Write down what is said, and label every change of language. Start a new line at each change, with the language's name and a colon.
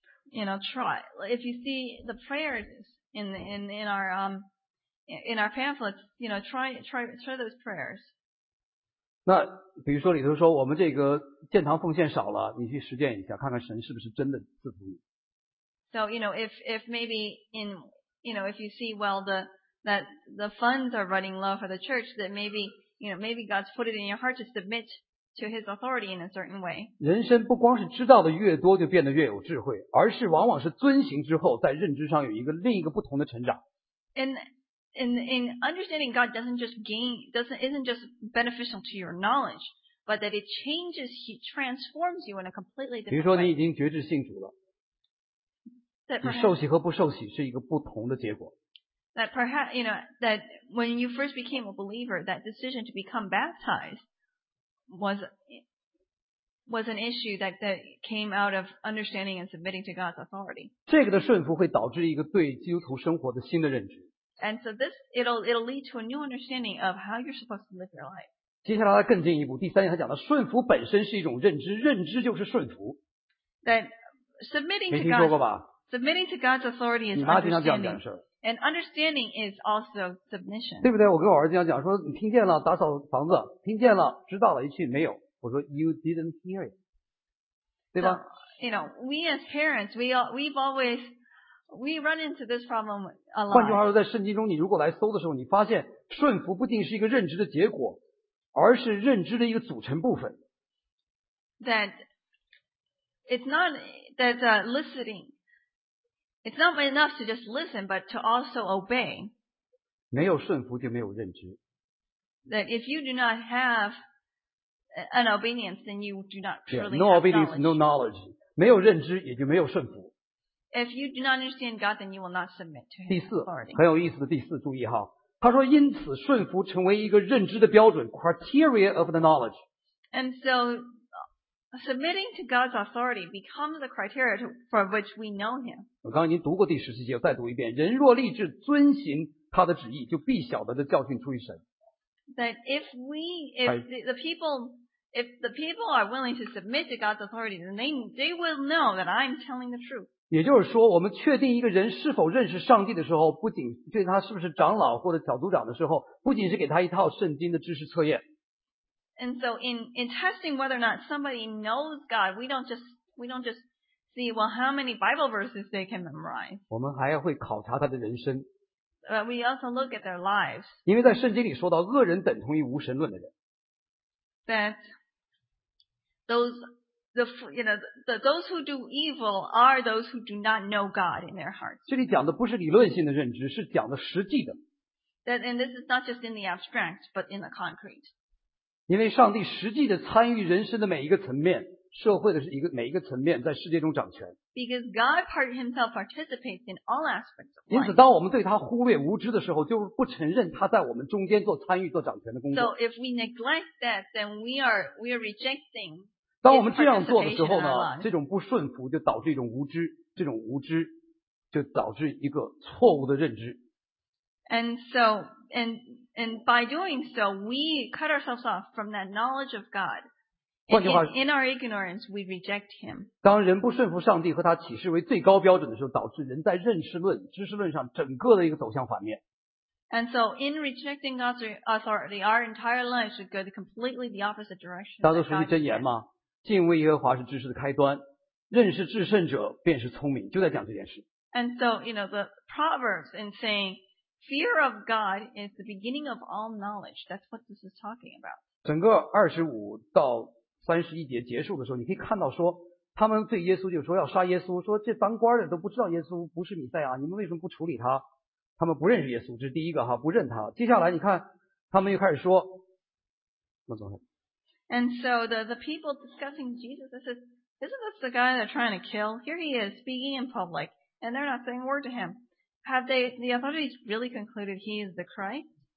English: You know, try. If you see the prayers in our pamphlets, you know, try those prayers.
Chinese: 那比如说里头说我们这个建堂奉献少了，你去实践一下，看看神是不是真的赐福你。
English: So you know, if maybe in you know if you see well the that the funds are running low for the church, that maybe, you know, maybe God's put it in your heart to submit to His authority in a certain way.
Chinese: 人生不光是知道的越多就变得越有智慧，而是往往是遵行之后在认知上有一个另一个不同的成长。
English: In understanding God isn't just beneficial to your knowledge, but that it changes, He transforms you in a completely different way.
Chinese: 比如说你已经觉知信主了，你受洗和不受洗是一个不同的结果。
English: That perhaps you know that when you first became a believer, that decision to become baptized was an issue that came out of understanding and submitting to God's authority.
Chinese: 这个的顺服会导致一个对基督徒生活的新的认知。
English: And so this it'll lead to a new understanding of how you're supposed to live your life.
Chinese: 接下来他更进一步，第三点他讲的顺服本身是一种认知，认知就是顺服。
English: That submitting to God.
Chinese: 没听说过吧？
English: Submitting to God's authority is
Chinese: understanding. 你妈经常这样讲事。
English: And understanding is also submission.
Chinese: 对不对？我跟我儿子要讲说，你听见了，打扫房子，听见了，知道了，一句没有。我说
English: ，You didn't hear it.
Chinese: 对吧
English: ？So, you know, we as parents, we run into this problem a lot.
Chinese: 换句话说，在圣经中，你如果来搜的时候，你发现顺服不仅是一个认知的结果，而是认知的一个组成部分。
English: That it's not that listening. It's not enough to just listen, but to also obey.
Chinese: 没有顺服就没有认知。
English: That if you do not have an obedience, then you do not truly have knowledge. No obedience, no knowledge.
Chinese: 没有认知也就没有顺服。
English: If you do not understand God, then you will not submit to Him.
Chinese: 第四，很有意思的第四，注意哈，他说因此顺服成为一个认知的标准 ，
English: criteria of the knowledge. And so. Submitting to God's authority becomes the criteria for which we know Him.
Chinese: 我刚刚已经读过第十七节，再读一遍。人若立志遵行他的旨意，就必晓得的教训出于神。
English: That if the people are willing to submit to God's authority, then they will know that I'm telling the truth.
Chinese: 也就是说，我们确定一个人是否认识上帝的时候，不仅确定他是不是长老或者小组长的时候，不仅是给他一套圣经的知识测验。
English: And so in testing whether or not somebody knows God, we don't just see, well, how many Bible verses they can memorize.
Chinese: 我们还会考察他的人生。
English: But we also look at their lives.
Chinese: 因为在圣经里说到恶人等同于无神论的人。
English: That those who do evil are those who do not know God in their hearts.
Chinese: 这里讲的不是理论性的认知，是讲的实际的。
English: That, and this is not just in the abstract, but in the concrete.
Chinese: 因为上帝实际的参与人生的每一个层面，社会的是一个每一个层面在世界中掌权。
English: Because God himself participates in all aspects of life.
Chinese: 因此当我们对他忽略无知的时候，就是不承认他在我们中间做参与做掌权的工作。
English: So if we neglect that, then we are rejecting his participation in our
Chinese: life. 当我们这样做的时候呢，这种不顺服就导致一种无知，这种无知就导致一个错误的认知。
English: And by doing so, we cut ourselves off from that knowledge of God. In our ignorance, we reject Him.
Chinese: 当人不顺服上帝和他启示为最高标准的时候，导致人在认识论、知识论上整个的一个走向反面。
English: And so, in rejecting God's authority, our entire life should go completely the opposite direction.
Chinese: 大多熟悉箴言吗？敬畏耶和华是知识的开端，认识至圣者便是聪明，就在讲这件事。
English: And so, you know, the Proverbs in saying,Fear of God is the beginning of all knowledge. That's what this is talking about.
Chinese: 整个二十五到三十一节结束的时候，你可以看到说，他们对耶稣就说要杀耶稣，说这当官的都不知道耶稣不是弥赛亚，你们为什么不处理他？他们不认识耶稣，这是第一个哈，不认他。接下来你看，他们又开始说，那怎么？
English: And so the people discussing Jesus, this is isn't this the guy they're trying to kill? Here he is speaking in public, and they're not saying a word to him. Have the authorities really concluded he is the Christ?